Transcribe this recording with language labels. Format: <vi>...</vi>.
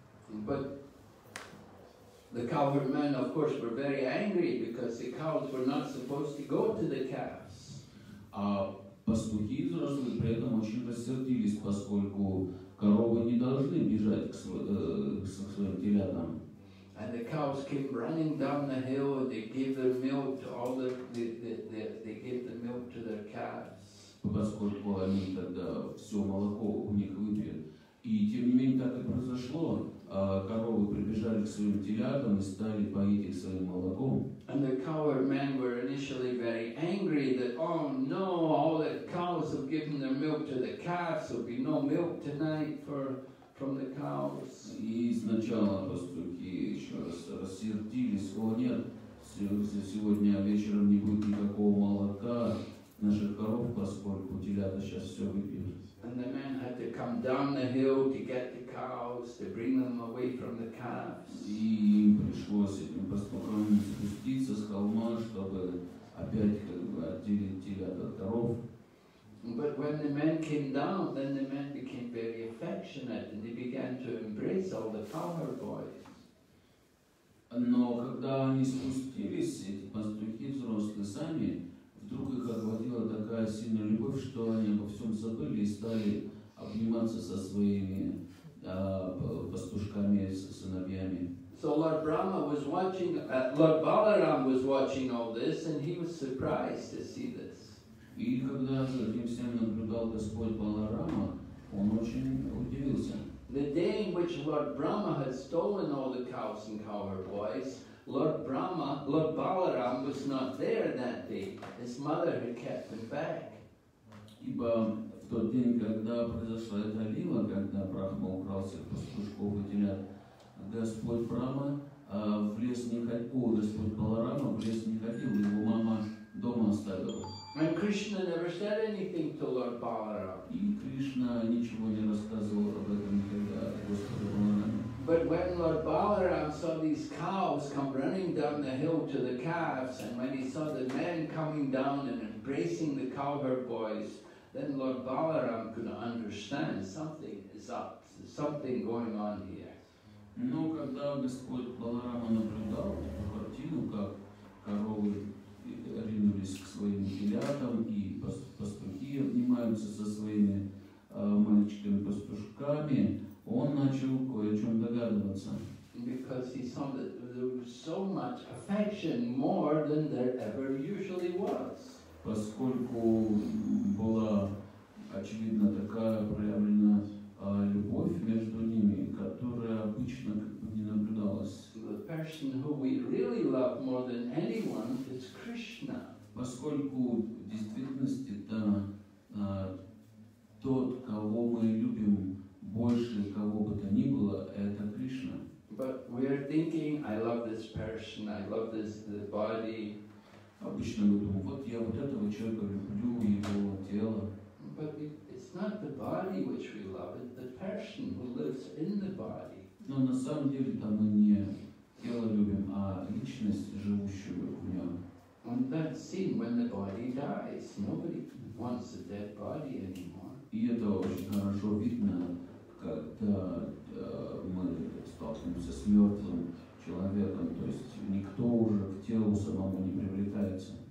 <en>But the cowherd men, of course, were very angry because the cows were not supposed to go to the calves.</en> <ru>А пастухи взрослые при этом очень рассердились, поскольку коровы не должны бежать к своим телятам.</ru> <en>And the cows came running down the hill, and they gave their milk to all they gave the milk to their calves.</en> <ru>Поскольку они тогда все молоко у них выпили. И тем не менее так и произошло. Коровы прибежали к своим телятам и стали поить их своим молоком.</ru> <en>And the cowherd men were initially very angry that, oh no, all the cows have given their milk to the calves, there'll be no milk tonight from the cows.</en> <ru>И сначала пастухи еще раз рассердились, о нет, сегодня вечером не будет никакого молока наших коров, поскольку телята сейчас все выпьют.</ru> <en>And the men had to come down the hill to get the cows, to bring them away from the calves.</en> <ru>И им пришлось этим пастухам спуститься с холма, чтобы опять как бы отделить телят от коров.</ru> <en>But when the men came down, then the men became very affectionate and they began to embrace all the cowherd boys.</en> <ru>Но когда они спустились, эти пастухи взрослые сами, вдруг их охватила такая сильная любовь, что они обо всем забыли и стали обниматься со своими пастушками, со сыновьями.</ru> <en>So Lord Brahma was watching, Lord Balaram was watching all this, and he was surprised to see this.</en> <ru>И когда за этим всем наблюдал Господь Баларама, он очень удивился.</ru> <en>The day in which Lord Brahma had stolen all the cows and cowherd boys, Lord Brahma, Lord Balaram was not there that day. His mother had kept him back.</en> <ru>Ибо в тот день, когда произошла эта лила, когда Брахма украл всех пастушков и телят, Господь Брахма в лес не ходил, Господь Баларама в лес не ходил, его мама дома оставила.</ru> <en>And Krishna never said anything to Lord Balaram.</en> <ru>И Кришна ничего не рассказывал об этом никогда Господу Баларама.</ru> <en>But when Lord Balaram saw these cows come running down the hill to the calves, and when he saw the men coming down and embracing the cowherd boys, then Lord Balaram could understand something is up, something going on here.</en> <ru>Но когда Господь Баларама наблюдал эту картину, как коровы ринулись к своим телятам и пастухи обнимаются со своими мальчиками-пастушками, он начал кое-чем догадываться.</ru> <en>Because he saw that there was so much affection, more than there ever usually was.</en> <ru>Поскольку была очевидно такая проявлена любовь между ними, которая обычно не наблюдалась.</ru> <en>The person who we really love more than anyone is Krishna.</en> <ru>Поскольку в действительности тот, кого мы любим больше кого бы то ни было, это Кришна.</ru> <en>But we are thinking, I love this person, I love this the body.</en> <ru>Обычно мы думаем, вот я вот этого человека люблю, его тело.</ru> <en>But it's not the body which we love, it's the person who lives in the body.</en> <ru>Но на самом деле там мы не тело любим, а личность, живущую в нем.</ru> <en>And the haven't seen when the body dies. Nobody wants a dead body anymore.</en> <ru>И это очень хорошо видно, когда мы столкнемся с мертвым человеком, то есть никто уже к телу самому не привлекается.</ru>